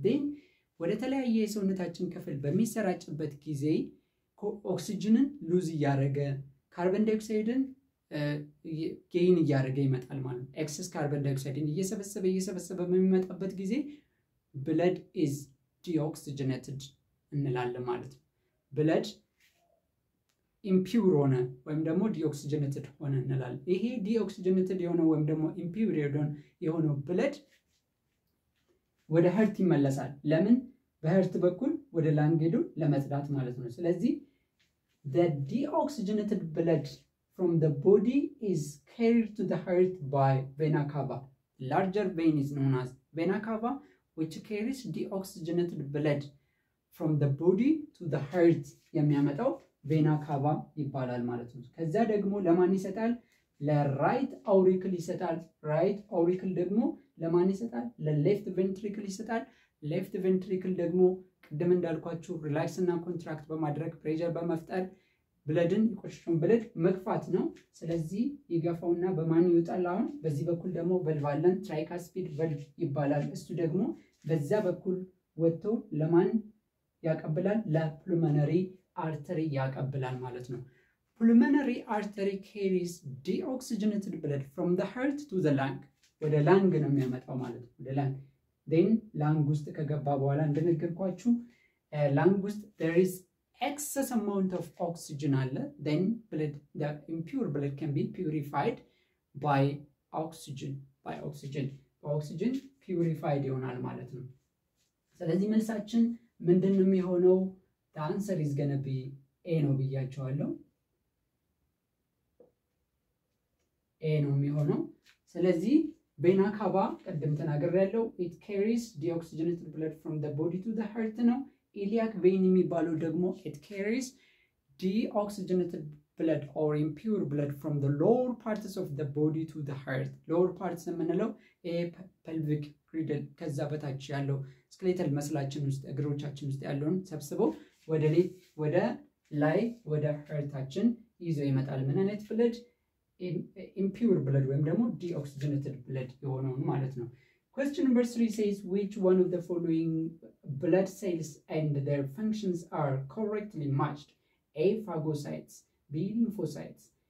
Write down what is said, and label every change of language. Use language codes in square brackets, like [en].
[am] Then ወደ ተለያየ ሰውነታችን ክፍል በሚሰራጭበት ጊዜ ኦክሲጅንን ሉዝ ያረገ ካርቦን ዳይኦክሳይድን ጌይን ያረገ ይመጣል ማለት ነው። ኤክሰስ ካርቦን ዳይኦክሳይድን እየሰበሰበ በሚመጣበት ጊዜ ብለድ ኢዝ ዲኦክሲጅኔትድ እንላለን ማለት ነው። ብለድ ኢምፒውር ሆነ ወይም ደግሞ ዲኦክሲጅኔትድ ሆነ እንላለን። ይሄ ዲኦክሲጅኔትድ የሆነ ወይም ደግሞ ኢምፒውር የሆነ ብለድ ወደ ሃርት ይመለሳል። ለምን? በሃርት በኩል ወደ ላንግ ሄዶ ለመጽዳት ማለት ነው። ስለዚህ [en] the deoxygenated blood from the body is carried to the heart by vena cava. Larger vein is known as vena cava, which carries deoxygenated blood from the body to the heart. [am] የሚያመጣው vena cava ይባላል ማለት ነው። ከዛ ደግሞ ለማን ይሰጣል? ለright auricle ይሰጣል። Right auricle ደግሞ ለማን ይሰጣል? ለleft ventricle ይሰጣል። Left ventricle ደግሞ ቅድም እንዳልኳችሁ ሪላክስ እና ኮንትራክት በማድረግ ፕሬሸር በመፍጠር ብለድን ቆሽሹን ብለድ መክፋት ነው። ስለዚህ ይገፋውና በማን ይወጣል? አሁን በዚህ በኩል ደግሞ ቫልቭ አለን ትራይካስፒድ ቫልቭ ይባላል። እሱ ደግሞ በዛ በኩል ወጥቶ ለማን ያቀብላል? ለፑልመነሪ አርተሪ ያቀብላል ማለት ነው። [en] ፑልመነሪ አርተሪ carries deoxygenated blood from the heart to the lung. [am] ወደ ላንግ ነው የሚያመጣው ማለት ነው። ወደ ላንግ then ላንጉስት ከገባ በኋላ እንደነገርኳችሁ ላንጉስት [en] there is excess amount of oxygen [am] አለ. [en] then blood, the impure blood can be purified by oxygen purified [am] ይሆናል ማለት ነው። ስለዚህ መልሳችን ምንድን ነው የሚሆነው? [en] the answer is going to be a [am] ነው ብያቸዋለሁ. [en] a [am] ነው የሚሆነው. ስለዚህ [en] vena cava [am] ቀደም ተናግሬያለሁ [en] it carries deoxygenated blood from the body to the heart now. iliac vein [am] የሚባለው ደግሞ [en] it carries deoxygenated blood or impure blood from the lower parts of the body to the heart. [am] lower parts የምንለው pelvic girdle ከዛ በታች ያለው skeletal መስላችን ውስጥ እግሮቻችን ውስጥ ያለውን ሰብስቦ ወደ ላይ ወደ heartታችን ይዞ ይመጣል። ምን አይነት blood? [en] impure blood [am] ወይም ደግሞ [en] deoxygenated blood [am] የሆነውን ማለት ነው። [en] question number 3 says which one of the following blood cells and their functions are correctly matched? a phagocytes, b lymphocytes.